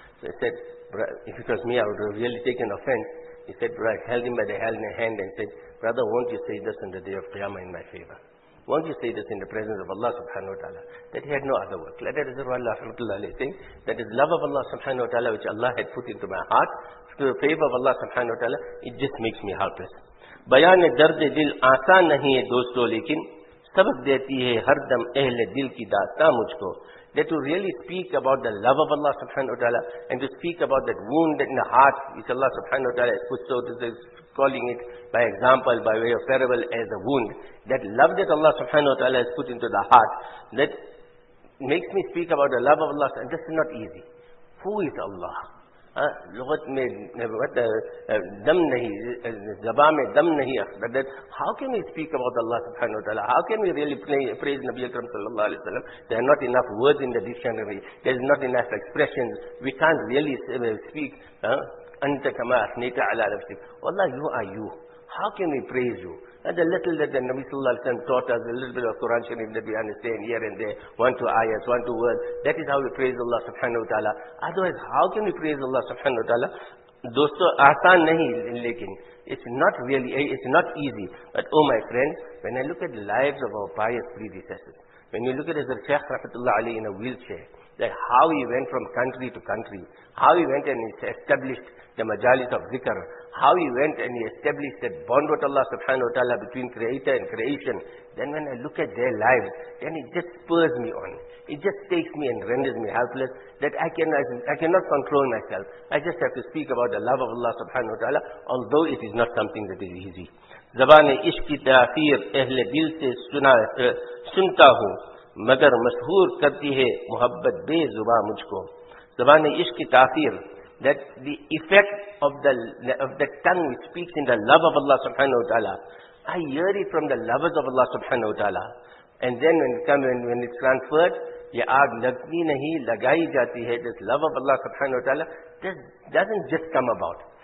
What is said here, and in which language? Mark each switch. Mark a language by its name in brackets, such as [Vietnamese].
[English] So he said, if it was me, I would have really taken offense. He said, right, held him by the hand and said, brother, won't you say this on the day of Qiyamah in my favor? Won't you say this in the presence of Allah subhanahu wa ta'ala? That he had no other work. Let it think that his love of Allah subhanahu wa ta'ala, which Allah had put into my heart, through the favor of Allah subhanahu wa ta'ala, it just makes me helpless. [Urdu] بیان درد دل آسان نہیں ہے دوستو لیکن سبق دیتی ہے ہر دم اہل دل کی داستان مجھ کو. [English] That to really speak about the love of Allah subhanahu wa ta'ala and to speak about that wound in the heart which Allah subhanahu wa ta'ala has put, so this is calling it by example, by way of parable, as a wound. That love that Allah subhanahu wa ta'ala has put into the heart, that makes me speak about the love of Allah, and this is not easy. Who is Allah? [Urdu] لغت میں دم نہیں, زبان میں دم نہیں. [English] How can we speak about Allah subhanahu wa ta'ala? How can we really praise Nabi Akram sallallahu alayhi wa sallam? There are not enough words in the dictionary. There is not enough expressions. We can't really speak. [Arabic] أنت كما أثنيت على نفسك. [English] Allah, you are you. How can we praise you? And the little that the Nabi sallallahu alayhi wa sallam taught us, a little bit of Quran Sharif that we understand here and there, one two ayahs, one two words, that is how we praise Allah subhanahu wa ta'ala. Otherwise, how can we praise Allah subhanahu wa ta'ala? [Urdu] Dosto, aasan nahi, lekin, [English] it's not easy. But oh my friend, when I look at the lives of our pious predecessors, when you look at Hazrat Shaykh rahmatullah alayhi in a wheelchair, that how he went from country to country, how he went and established the majalis of zikr, how he went and he established that bond with Allah subhanahu wa ta'ala between creator and creation, then when I look at their lives, then it just spurs me on. It just takes me and renders me helpless, that I cannot control myself. I just have to speak about the love of Allah subhanahu wa ta'ala, although it is not something that is easy. [Urdu] زبانِ عشق کی تاثیر اہل دل سے سنتا ہوں مگر مشہور کرتی ہے محبت بے زباں مجھ کو. زبانِ عشق کی تاثیر, [English] that the effect of the tongue which speaks in the love of Allah subhanahu wa ta'ala, I hear it from the lovers of Allah subhanahu wa ta'ala, and then when it's transferred, [Urdu] ye aag lagni nahi lagai jati hai, [English] this love of Allah subhanahu wa ta'ala, this doesn't just come about.